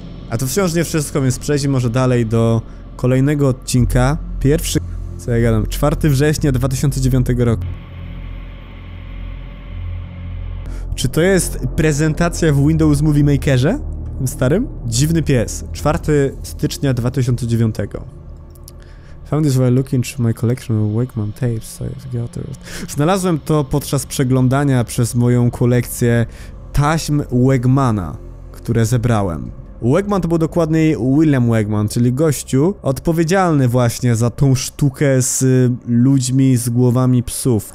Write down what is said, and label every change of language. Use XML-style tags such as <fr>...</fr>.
<pl>A to wciąż nie wszystko, więc przejdźmy może dalej do kolejnego odcinka. Pierwszy... Co ja gadam? 4 września 2009 roku. Czy to jest prezentacja w Windows Movie Makerze? Tym starym? Dziwny pies. 4 stycznia 2009.</pl> <en>Found this while looking through my collection of Wakeman tapes.</en> <pl>Znalazłem to podczas przeglądania przez moją kolekcję taśm Wakemana, które zebrałem. Wakeman to był dokładniej William Wakeman, czyli gościu odpowiedzialny właśnie za tą sztukę z ludźmi z głowami psów.</pl>